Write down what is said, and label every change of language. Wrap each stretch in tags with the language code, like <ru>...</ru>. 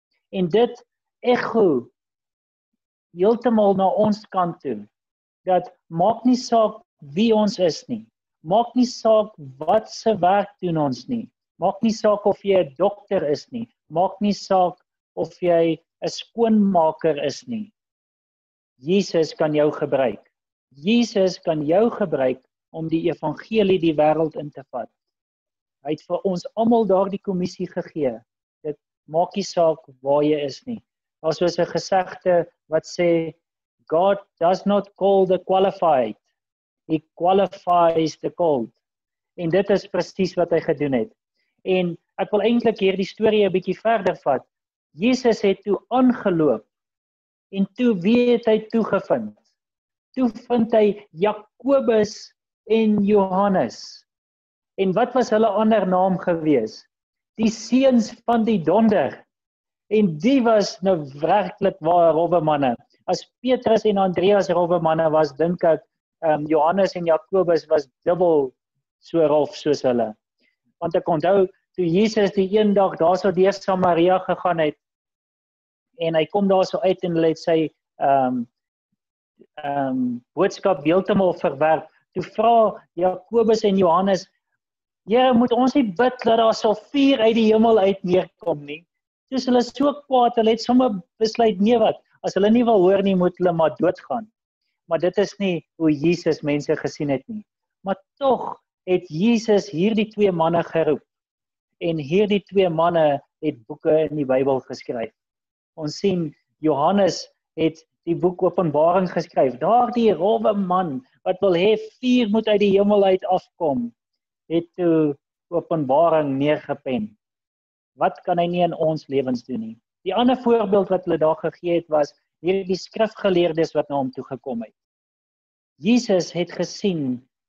<af>En dit echo, heeltemal na ons kant toe, dat maak nie saak wie ons is nie, maak nie saak wat se werk doen ons nie, maak nie saak of jy 'n dokter is nie, maak nie saak of jy 'n skoonmaker is nie, Jesus kan jou gebruik, Jesus kan jou gebruik om die evangelie die wêreld in te vat. Hy het vir ons allemaal daar die kommissie gegee, dit maak nie saak waar jy is nie. As was 'n gesegde wat sê,</af> <en>God does not call the qualified, he qualifies the called.</en> <af>En dit is precies wat hy gedoen het. En ek wil eintlik hierdie storie 'n bietjie verder vat. Jesus het toe aangeloop, en toe wie het hy toegevind? Toe vind hy Jakobus en Johannes. En wat was hulle ander naam gewees? Die seuns van die donder. En die was nou werklik waar rowwe manne. As Petrus en Andreas rowwe manne was, dink ek, Johannes en Jakobus was dubbel so rof soos hulle. Want ek onthou, toe Jesus die een dag daar so deur Samaria gegaan het, en hy kom daar so uit en hulle het sy boodskap heeltemal verwerp, toe vra Jakobus en Johannes, Here, moet ons nie bid dat daar so vuur uit die hemel uit neerkom nie? Toe hulle so kwaad, hulle het sommer besluit, nee wat, as hulle nie wil hoor nie, moet hulle maar doodgaan. Maar dit is nie hoe Jesus mense gesien het nie. Maar toch het Jesus hierdie twee manne geroep. En hierdie twee manne het boeke in die Bybel geskryf. Ons sien, Johannes het die boek Openbaring geskryf. Daar die rowwe man, wat wil hê vuur moet uit die hemel uit afkom, het toe Openbaring neergepen. Wat kan hy nie in ons lewens doen nie? Die ander voorbeeld wat hulle daar gegee het was, hierdie skrifgeleerdes wat na hom toe gekom het. Jesus het gesien</af>